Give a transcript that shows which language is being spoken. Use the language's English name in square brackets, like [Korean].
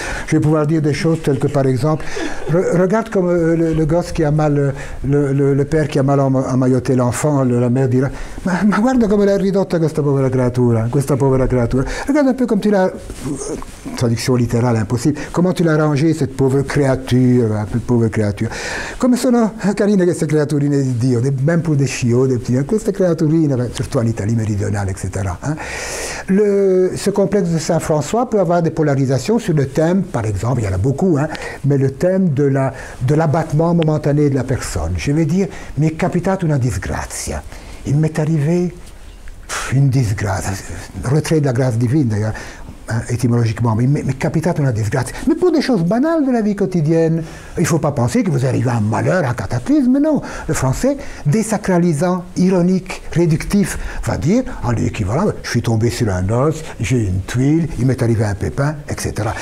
[French] Je vais pouvoir dire des choses telles que, par exemple, regarde comme le gosse qui a mal, le père qui a mal emmailloté l'enfant, la mère dira [Italian] ma guarda come l'hai ridotta questa povera creatura, [French] regarde un peu comme tu l'as, traduction littérale impossible, comment tu l'as rangé cette pauvre créature, hein, pauvre créature, [Italian] come sono carine queste creaturine di Dio, [French] même pour des chiots, des petits, [Italian] queste creaturine, [French] surtout en Italie méridionale, etc. Hein. Ce complexe de Saint-François peut avoir des polarisations sur le thème, par exemple, il y en a beaucoup, hein, mais le thème de l'abattement momentané de la personne. Je vais dire, [Italian] mi è capitata una disgrazia. [French] Il m'est arrivé une disgrâce, retrait de la grâce divine d'ailleurs, hein, étymologiquement, mais il m'est [Italian] capitata una disgrazia. [French] Mais pour des choses banales de la vie quotidienne, il ne faut pas penser que vous arrivez à un malheur, à un cataclysme, non. Le français, désacralisant, ironique, réductif, va dire, en l'équivalent, je suis tombé sur un os, j'ai une tuile, il m'est arrivé un pépin, etc.